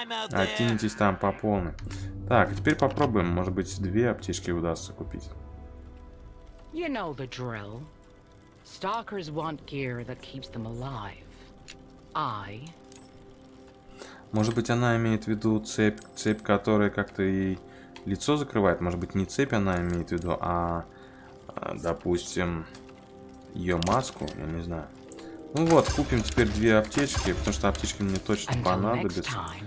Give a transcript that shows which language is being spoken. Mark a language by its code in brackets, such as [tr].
[ru] Оттянитесь там по полной. Так, теперь попробуем, может быть, две аптечки удастся купить. [en] You know the drill. Stalkers want gear that keeps them alive. I. [ru] Может быть, она имеет в виду цепь, которая как-то ей лицо закрывает. Может быть, не цепь она имеет в виду, а, допустим, ее маску. Я не знаю. Ну вот, купим теперь две аптечки, потому что аптечки мне точно понадобятся.